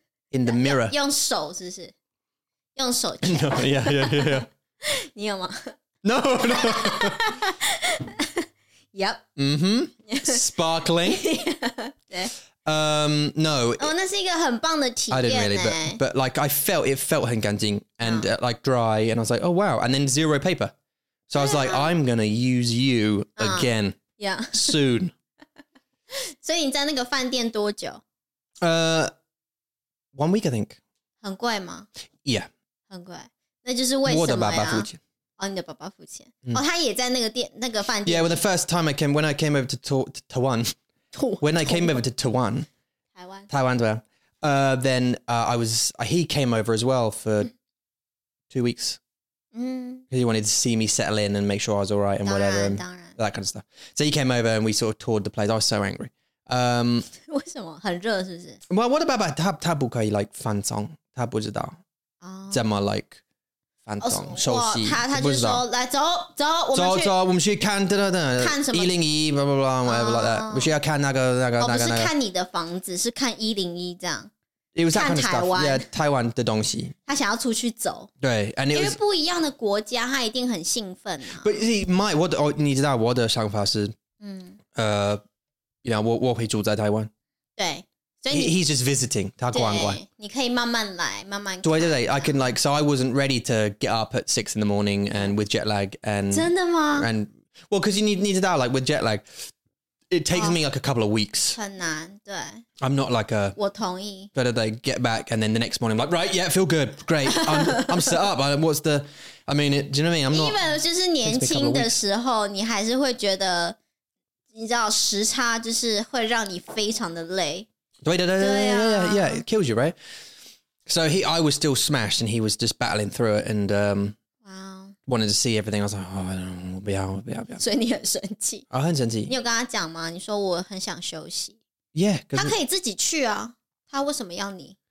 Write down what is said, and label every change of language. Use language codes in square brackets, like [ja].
[en] In the mirror. [zh] 用手是不是？用手 check. [en] No, yeah. [zh] 你有吗？ [en] No. Yep. Mm-hmm. Sparkling. [zh] 对。 [en] No. [zh] Oh, 那是一个很棒的体验。 [en] I didn't really, but like I felt it felt [zh] 很干净 [en] and like dry, and I was like, oh wow, and then zero paper. So I was like, I'm going to use you again soon. [zh] 所以你在那个饭店多久? [en] 1 week, I think. [zh] 很贵吗? [en] Yeah. [zh] 很贵. 那就是为什么呀?我的爸爸付钱。哦,你的爸爸付钱。哦,他也在那个饭店。 [en] Yeah, when the first time I came over to Taiwan. When I came over to Taiwan, [zh] 台湾对啊。 [en] Then I was he came over as well for 2 weeks because he wanted to see me settle in and make sure I was all right and whatever and that kind of stuff. So he came over and we sort of toured the place. I was so angry. [zh] 为什么很热是不是? [en] Well, what about [zh] 他不可以 like 翻窗，他不知道。怎么 like 翻窗，熟悉，他就说来走走，我们去看，等等等，看什么101，blah blah blah, whatever like that. 我们需要看那个，不是看你的房子，是看101这样。 [en] It was that kind of stuff. Yeah, [zh] 台湾的东西. 他想要出去走。对, [en] and it was [zh] 因为不一样的国家, 他一定很兴奋啊。 [en] But see, my, [zh] 我的, 你知道我的想法是, 你知道, 我会住在台湾。对。 [en] He's just visiting. [zh] 他逛逛。你可以慢慢来,慢慢看。对, 对, 对, [en] I can like, so I wasn't ready to get up at 6 in the morning and with jet lag. And, [zh] 真的吗? [en] And, well, because you need to know, like with jet lag, it takes me like a couple of weeks. [zh] 很难,对。 [en] I'm not like a... [zh] 我同意。 [en] Better they get back and then the next morning, I'm like, right, yeah, feel good, great. I'm set up. What's the... I mean, it, do you know what I mean? I'm not... [zh] Even 就是年轻的时候, 你还是会觉得, 你知道,时差就是会让你非常的累。对对对对对对, [en] yeah, it kills you, right? So I was still smashed and he was just battling through it and... wanted to see everything. I was like, oh, I don't know, [zh] 不要。所以你很生气。我很生气。你有跟他讲吗?你说我很想休息。 [en] Yeah. [zh] 他可以自己去啊。他为什么要你?